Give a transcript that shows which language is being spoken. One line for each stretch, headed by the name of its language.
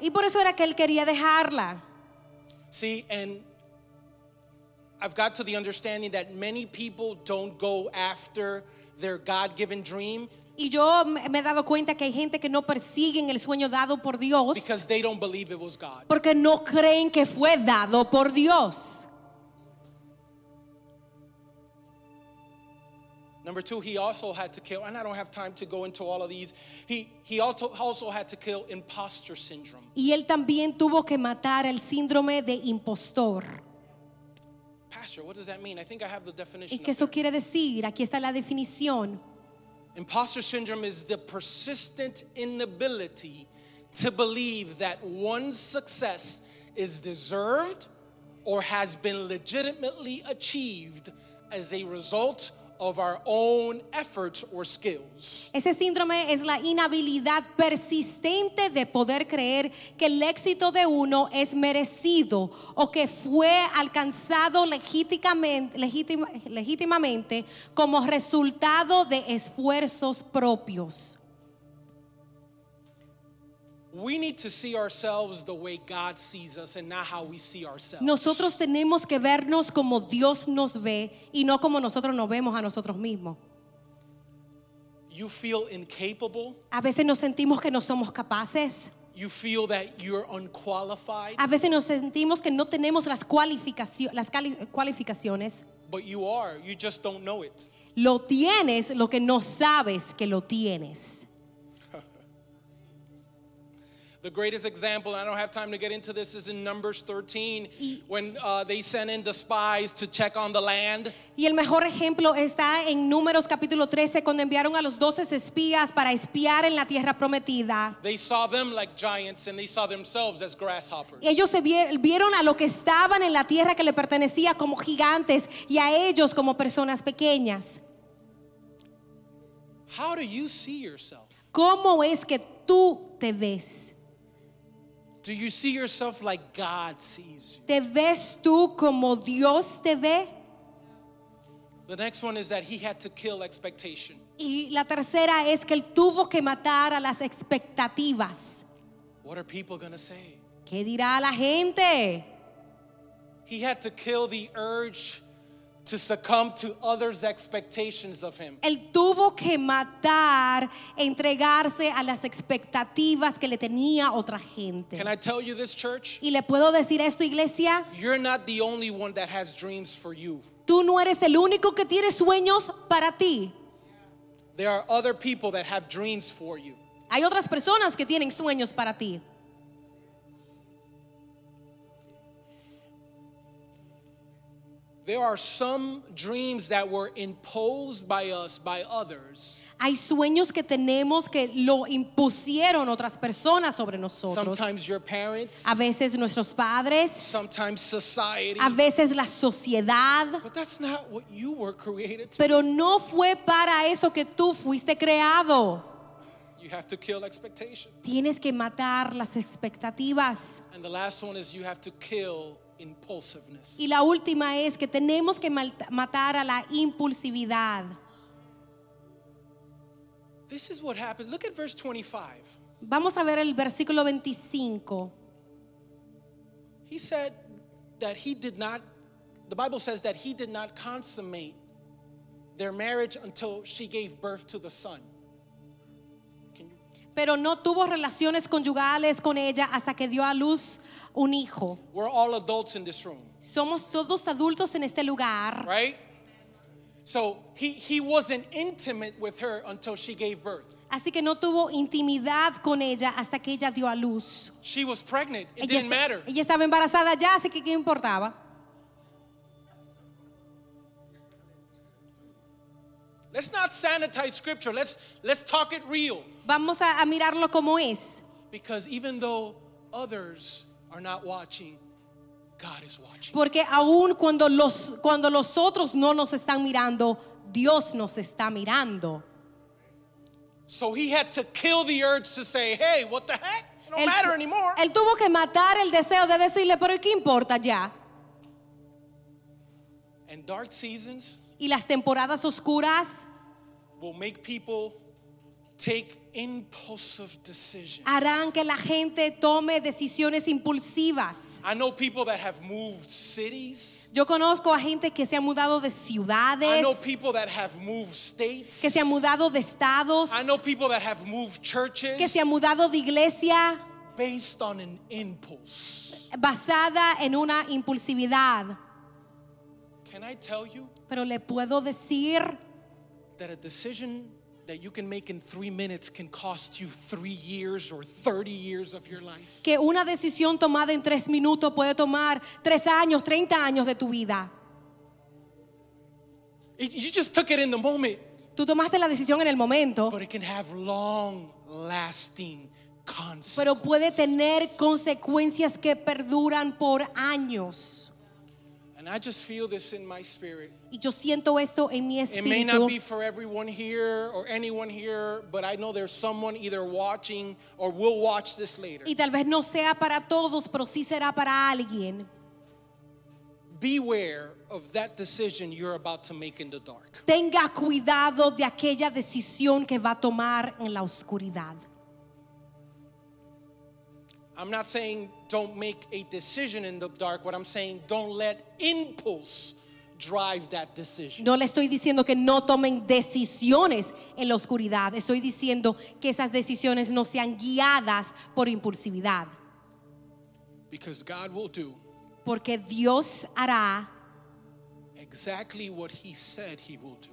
Spanish: Y por eso era que él quería dejarla.
English: See, and I've got to the understanding that many people don't go after their God-given dream.
Spanish: Y yo me he dado cuenta que hay gente que no persiguen el sueño dado por Dios.
English: Because they don't believe it was God.
Spanish: Porque no creen que fue dado por Dios.
English: Number two, he also had to kill, and I don't have time to go into all of these. He also had to kill imposter syndrome.
Spanish: Y él también tuvo que matar el síndrome de impostor.
English: Pastor, what does that mean? I think I have the definition.
Spanish: ¿Y qué eso quiere decir? Aquí está la definición.
English: Imposter syndrome is the persistent inability to believe that one's success is deserved or has been legitimately achieved as a result of our own efforts or skills.
Spanish: Ese síndrome es la inhabilidad persistente de poder creer que el éxito de uno es merecido o que fue alcanzado legítimamente como resultado de esfuerzos propios.
English: We need to see ourselves the way God sees us and not how we see ourselves.
Spanish: Nosotros tenemos que vernos como Dios nos ve y no como nosotros nos vemos a nosotros mismos.
English: You feel incapable.
Spanish: A veces nos sentimos que no somos capaces.
English: You feel that you're unqualified.
Spanish: A veces nos sentimos que no tenemos las cualificaciones.
English: But you are, you just don't know it.
Spanish: Lo tienes, lo que no sabes que lo tienes.
English: The greatest example, and I don't have time to get into this, is in Numbers 13, when they sent in the spies to check on the land.
Spanish: Y el mejor ejemplo está en Números capítulo 13, cuando enviaron a los 12 espías para espiar en la tierra prometida.
English: They saw them like giants, and they saw themselves as grasshoppers.
Spanish: Ellos se vieron a lo que estaban en la tierra que le pertenecía como gigantes, y a ellos como personas pequeñas.
English: How do you see yourself?
Spanish: ¿Cómo es que tú te ves?
English: Do you see yourself like God sees you?
Spanish: ¿Te ves tú como Dios te ve?
English: The next one is that he had to kill expectation.
Spanish: Y la tercera es que él tuvo que matar a las expectativas.
English: What are people going to say?
Spanish: ¿Qué dirá la gente?
English: He had to kill the urge to succumb to others' expectations of him.
Spanish: Él tuvo que matar, entregarse a las expectativas que le tenía otra gente.
English: Can I tell you this, church?
Spanish: ¿Y le puedo decir esto, iglesia?
English: You're not the only one that has dreams for you.
Spanish: Tú no eres el único que tiene sueños para ti.
English: There are other people that have dreams for you.
Spanish: Hay otras personas que tienen sueños para ti.
English: There are some dreams that were imposed by us by others.
Spanish: Hay sueños que tenemos que lo impusieron otras personas sobre nosotros.
English: Sometimes your parents.
Spanish: A veces nuestros padres.
English: Sometimes society.
Spanish: A veces la sociedad.
English: But that's not what you were created to.
Spanish: Pero no fue para eso que tú fuiste creado.
English: You have to kill expectations.
Spanish: Tienes que matar las expectativas.
English: And the last one is you have to kill impulsiveness.
Spanish: Y la última es que tenemos que matar a la impulsividad.
English: This is what happened. Look at verse 25.
Spanish: Vamos a ver el versículo 25.
English: He said that he did not, the Bible says that he did not consummate their marriage until she gave birth to the son.
Spanish: Pero no tuvo relaciones conyugales con ella hasta que dio a luz un hijo.
English: We're all adults in this room.
Spanish: Somos todos adultos en este lugar.
English: Right? So he wasn't intimate with her until she gave birth.
Spanish: Así que no tuvo intimidad con ella hasta que ella dio a luz.
English: She was pregnant. It didn't matter.
Spanish: Ella estaba embarazada ya, así que qué importaba.
English: Let's not sanitize scripture. Let's talk it real.
Spanish: Vamos a mirarlo como es.
English: Because even though others are not watching, God is watching.
Spanish: Porque aun cuando los otros no nos están mirando, Dios nos está mirando.
English: So he had to kill the urge to say, "Hey, what the heck? It don't matter anymore."
Spanish: Él tuvo que matar el deseo de decirle, "Pero ¿qué importa ya?"
English: And dark seasons.
Spanish: Y las temporadas oscuras
English: will make people take impulsive decisions.
Spanish: Harán que la gente tome decisiones impulsivas.
English: I know people that have moved cities.
Spanish: Yo conozco a gente que se ha mudado de ciudades.
English: I know people that have moved states.
Spanish: Que se ha mudado de estados.
English: I know people that have moved churches.
Spanish: Que se ha mudado de iglesia.
English: Based on an impulse.
Spanish: Basada en una impulsividad.
English: Can I tell you?
Spanish: Pero le puedo decir
English: that a decision that you can make in 3 minutes can cost you 3 years or 30 years of your life.
Spanish: Que una decisión tomada en 3 minutos puede tomar 3 años, 30 años de tu vida.
English: You just took it in the moment.
Spanish: Tú tomaste la decisión en el momento.
English: But it can have long-lasting consequences.
Spanish: Pero puede tener consecuencias que perduran por años.
English: And I just feel this in my spirit.
Spanish: Y yo siento esto en mi espíritu.
English: It may not be for everyone here or anyone here, but I know there's someone either watching or will watch this later.
Spanish: Y tal vez no sea para todos, pero sí será para alguien.
English: Beware of that decision you're about to make in the dark.
Spanish: Tenga cuidado de aquella decisión que va a tomar en la oscuridad.
English: I'm not saying don't make a decision in the dark. What I'm saying, don't let impulse drive that decision.
Spanish: No le estoy diciendo que no tomen decisiones en la oscuridad. Estoy diciendo que esas decisiones no sean guiadas por impulsividad.
English: Because God will do.
Spanish: Porque Dios hará.
English: Exactly what he said he will do.